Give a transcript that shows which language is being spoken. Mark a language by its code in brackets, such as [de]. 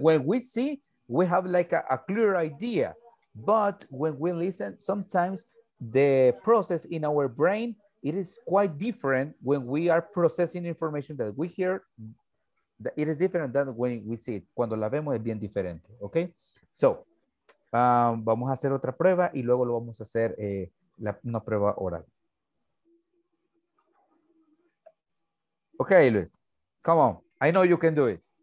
[en] When we see, we have like a clear idea. But when we listen, sometimes the process in our brain, it is quite different when we are processing information that we hear. That it is different than when we see it. [es] Cuando la vemos es bien diferente. Okay? So, vamos a hacer otra prueba y luego lo vamos a hacer una prueba oral. [en] Ok, Luis. Come on. I know you can do it.